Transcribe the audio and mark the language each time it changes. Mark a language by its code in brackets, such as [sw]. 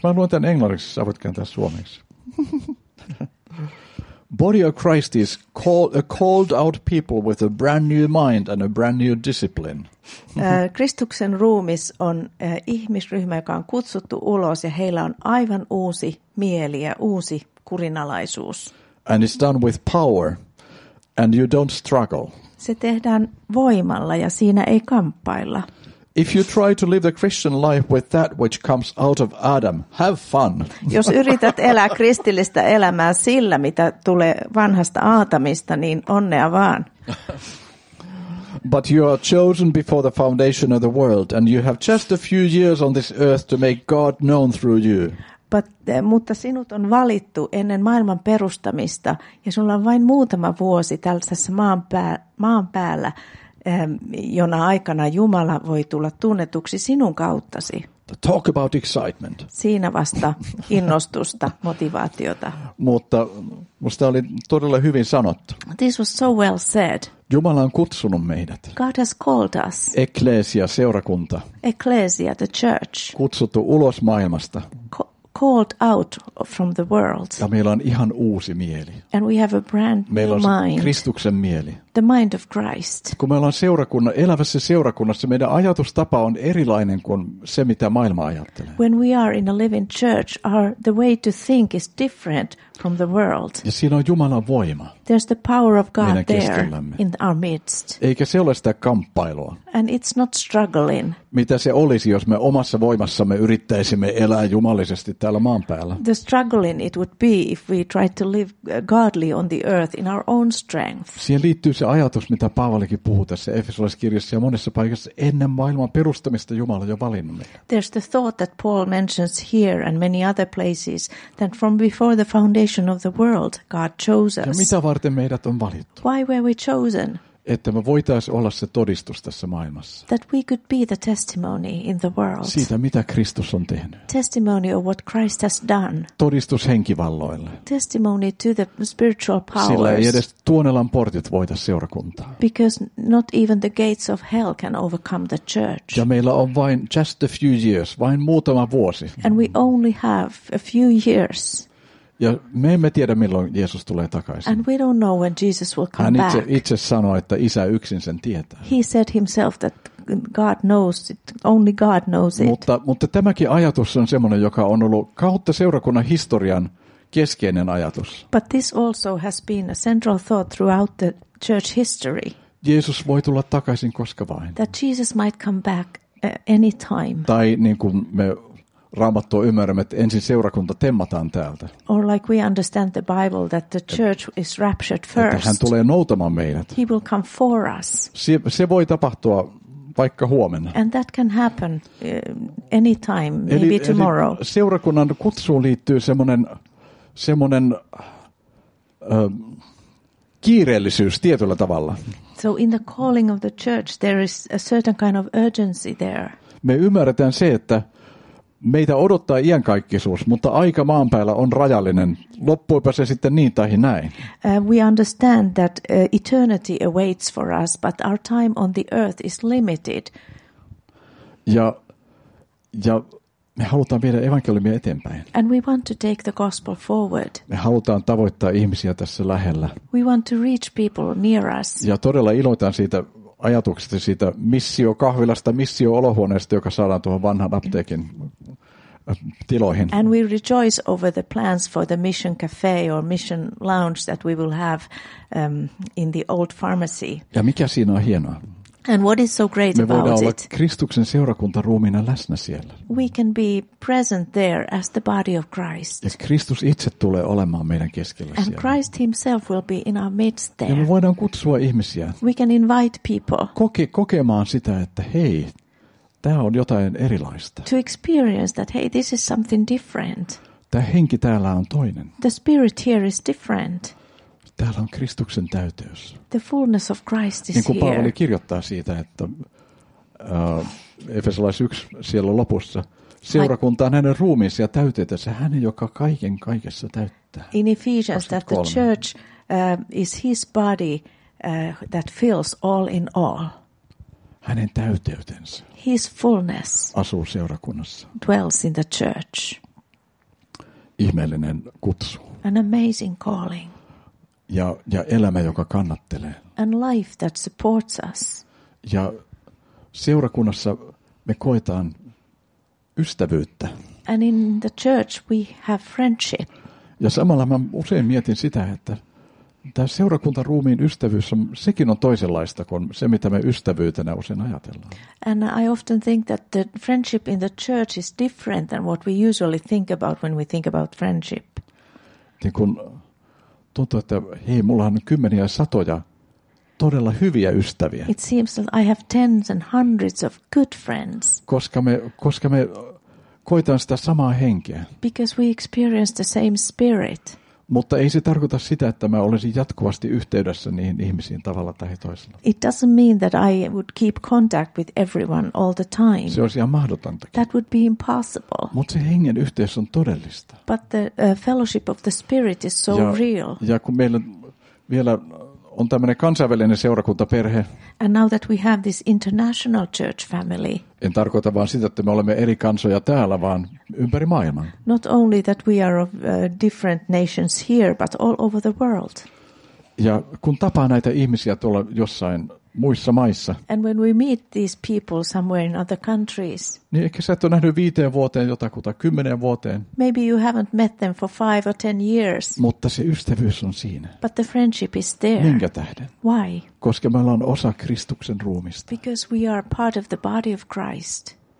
[fi] Mä luen tämän englanniksi, sä voit kääntää suomeksi. [en] Body of Christ is called out people with a brand new mind and a brand new discipline. [fi] Kristuksen ruumis on ihmisryhmä, joka on kutsuttu ulos ja heillä on aivan uusi mieli ja uusi kurinalaisuus. [en] And it's done with power and you don't struggle. [fi] Se tehdään voimalla ja siinä ei kamppailla. [en] If you try to live the Christian life with that which comes out of Adam, have fun. [fi] Jos yrität elää kristillistä elämää sillä, mitä tulee vanhasta Aatamista, niin onnea vaan. [en] But you are chosen before the foundation of the world, and you have just a few years on this earth to make God known through you. [fi] Mutta sinut on valittu ennen maailman perustamista, ja sulla on vain muutama vuosi tällaisessa maan päällä. Jona aikana Jumala voi tulla tunnetuksi sinun kauttasi. [en] Talk about excitement. [fi] Siinä vasta innostusta, motivaatiota. Mutta musta oli todella hyvin sanottu. [en] This was so well said. [fi] Jumala on kutsunut meidät. [en] God has called us. [fi] Ecclesia, seurakunta. [en] Ecclesia, the church. [fi] Kutsuttu ulos maailmasta. [en] Called out from the world. [fi] Ja meillä on ihan uusi mieli. [en] And we have a brand new mind. [fi] Meillä on Kristuksen mieli. [en] The mind of Christ. [fi] Kun meillä on elävässä seurakunnassa, meidän ajatustapa on erilainen kuin se, mitä maailma ajattelee. [en] When we are in a living church, the way to think is different from the world. [fi] Ja siinä on Jumalan voima. [en] There's the power of God there in our midst. [fi] Eikä se ole sitä kamppailua. [en] And it's not struggling. [fi] Mitä se olisi, jos me omassa voimassamme yrittäisimme elää jumalisesti täällä maan päällä? [en] The struggling it would be if we tried to live godly on the earth in our own strength. [fi] Siihen liittyy se ajatus, mitä Paavalikin puhuu tässä Efesolaiskirjassa ja monessa paikassa ennen maailman perustamista Jumala jo valinnut meitä. [en] There's the thought that Paul mentions here and many other places that from before the foundation of the world God chose us. [fi] Ja mitä varten meidät on valittu? [en] Why were we chosen? [fi] Että me voitaisiin olla se todistus tässä maailmassa. [en] That we could be the testimony in the world. [fi] Siitä, mitä Kristus on tehnyt. [en] Testimony of what Christ has done. [fi] Todistus henkivalloille. [en] Testimony to the spiritual powers. [fi] Sillä ei edes Tuonelan portit voita seurakuntaa. [en] Because not even the gates of hell can overcome the church. [fi] Ja meillä on vain [en] just a few years, [fi] vain muutama vuosi. [en] And we only have a few years. [fi] Ja me emme tiedä, milloin Jeesus tulee takaisin. [en] And we don't know when Jesus will come [fi] Hän itse, [en] back. [fi] Itse sanoi, että isä yksin sen tietää. [en] He said himself that God knows it, only God knows it. [fi] Mutta tämäkin ajatus on semmoinen, joka on ollut kautta seurakunnan historian keskeinen ajatus. [en] But this also has been a central thought throughout the church history. [fi] Jeesus voi tulla takaisin koska vain. [en] That Jesus might come back anytime. [fi] Tai niin kuin me Raamattua ymmärrämme, että ensin seurakunta temmataan täältä. [en] Or like we understand the Bible that the church is raptured first. [fi] Että hän tulee noutamaan meidät. [en] He will come for us. [fi] Se voi tapahtua vaikka huomenna. [en] And that can happen anytime, maybe tomorrow. [fi] Eli seurakunnan kutsuun liittyy semmoinen kiireellisyys tietyllä tavalla. [en] So in the calling of the church there is a certain kind of urgency there. [fi] Me ymmärretään se, että meitä odottaa iankaikkisuus, mutta aika maan päällä on rajallinen. Loppuipa se sitten niin tai näin. [en] We understand that eternity awaits for us, but our time on the earth is limited. [fi] Ja me halutaan viedä evankeliumia eteenpäin. [en] And we want to take the gospel forward. [fi] Me halutaan tavoittaa ihmisiä tässä lähellä. [en] We want to reach people near us. [fi] Ja todella iloitan siitä ajatuksesta, siitä missio kahvilasta, missio olohuoneesta, joka saadaan tuohon vanhan apteekin tiloihin. [en] And we rejoice over the plans for the mission cafe or mission lounge that we will have in the old pharmacy. [fi] Ja mikä siinä on hienoa? [en] And what is so great [fi] me [en] about [fi] olla [en] it? [fi] Kristuksen seurakuntaruumiina läsnä siellä. [en] We can be present there as the body of Christ. [fi] Ja Kristus itse tulee olemaan meidän keskellä [en] and [fi] siellä. [en] Christ himself will be in our midst there. [fi] Ja me voidaan kutsua ihmisiä. [en] We can invite people. [fi] Kokemaan sitä, että hei, tämä on jotain erilaista. [en] To experience that, hey, this is something different. [fi] Tämä henki täällä on toinen. [en] The spirit here is different. [fi] Täällä on Kristuksen täyteys. [en] The fullness of Christ is [fi] niin kuin [en] here. [fi] Paavali kirjoittaa siitä, että Efesolais 1 siellä lopussa, seurakunta on hänen ruumiinsa ja täyteetänsä, hänen, joka kaiken kaikessa täyttää. [en] In Ephesians 23. That the church is his body that fills all in all. [fi] Hänen täyteytensä. [en] His fullness [fi] asuu seurakunnassa. [en] Dwells in the church. [fi] Ihmeellinen kutsu. [en] An amazing calling. [fi] Ja elämä, joka kannattelee. [en] And life that supports us. [fi] Ja seurakunnassa me koetaan ystävyyttä. [en] And in the church we have friendship. [fi] Ja samalla mä usein mietin sitä, että tämä seurakuntaruumiin ystävyys, sekin on toisenlaista kuin se, mitä me ystävyytenä usein ajatellaan. [en] And I often think that the friendship in the church is different than what we usually think about when we think about friendship. [fi] Niin kun tuntuu, että hei, mulla on kymmeniä satoja todella hyviä ystäviä. [en] It seems that I have tens and hundreds of good friends. [fi] Koska me koitaan sitä samaa henkeä. [en] Because we experience the same spirit. [fi] Mutta ei se tarkoita sitä, että mä olisin jatkuvasti yhteydessä niihin ihmisiin tavalla tai toisella. [en] It doesn't mean that I would keep contact with everyone all the time. [fi] Se olisi ihan mahdotonta. [en] That would be impossible. [fi] Mutta se hengen yhteys on todellista. [en] But the fellowship of the spirit is so real. [fi] Ja kun meillä vielä on tämmöinen kansainvälinen seurakuntaperhe. [en] And now that we have this international church family. [fi] En tarkoita vaan sitä, että me olemme eri kansoja täällä, vaan ympäri maailman. [en] Not only that we are of different nations here, but all over the world. [fi] Ja kun tapaa näitä ihmisiä tuolla jossain muissa maissa. [en] And when we meet these people somewhere in other countries. [fi] Niin ehkä sä et ole nähnyt 5 vuoteen jotakuta, 10 vuoteen. [en] Maybe you haven't met them for 5 or 10 years. [fi] Mutta se ystävyys on siinä. [en] But the friendship is there. [fi] Minkä tähden? [en] Why? [fi] Koska me ollaan osa Kristuksen ruumista. [en] Because we are part of the body of Christ.